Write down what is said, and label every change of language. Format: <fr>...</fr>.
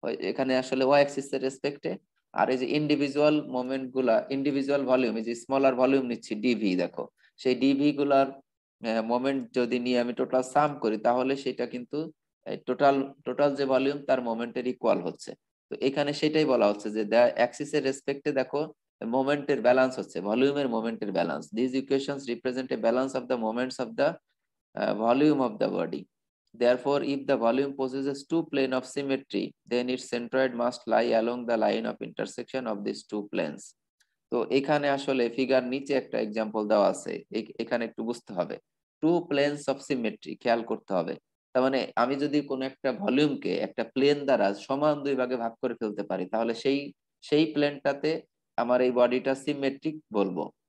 <bn>এখানে আসলে Y Axis এর রেসপেক্টে, আর এই যে ইন্ডিভিজুয়াল মোমেন্ট গুলা ইন্ডিভিজুয়াল ভলিউম এই যে স্মলার ভলিউম নিচ্ছি ডিভি দেখো, সেই ডিভি গুলার মোমেন্ট যদি নিয়ে আমি টোটাল সাম করি তাহলে সেটা কিন্তু টোটাল টোটাল যে ভলিউম তার মোমেন্টের ইকুয়াল হচ্ছে। তো এখানে সেটাই বলা হচ্ছে যে দ্য অ্যাক্সিস এর রেসপেক্টে দেখো মোমেন্টের ব্যালেন্স হচ্ছে, ভলিউমের মোমেন্টের balance.</bn> <en>This equations represent a balance of the moments of the volume of the body. Therefore, if the volume possesses two plane of symmetry, then its centroid must lie along the line of intersection of these two planes.</en> <bn>So, এখানে আসলে figure নিচে একটা example দেওয়া আছে, এখানে একটু বুঝতে হবে, টু প্লেনস অফ সিমেট্রি খেয়াল করতে হবে, তার মানে আমি যদি কোনো একটা ভলিউমকে একটা প্লেন দ্বারা সমান দুই ভাগে ভাগ করে ফেলতে পারি তাহলে সেই সেই প্লেনটাতে আমার এই বডিটা সিমেট্রিক বলবো।</bn>